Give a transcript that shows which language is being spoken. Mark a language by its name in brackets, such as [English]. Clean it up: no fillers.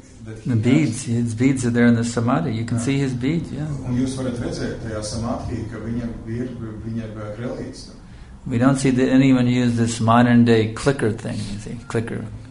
[English] the beads, his beads are there in the samadhi. You can see his beads, yeah. [Latvian] Un jūs varat redzēt tajā samadhi, ka viņam ir krelītes. [English] We don't see that anyone use this modern day clicker thing, you see, clicker.